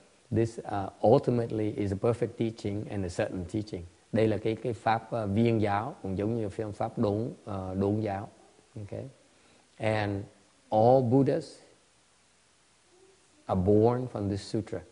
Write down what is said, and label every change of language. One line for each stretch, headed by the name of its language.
English: This ultimately is a perfect teaching and a certain teaching.
Vietnamese: Đây là cái pháp viên giáo cũng giống như phương pháp đúng giáo.
English: Okay. And all Buddhas are born from this sutra.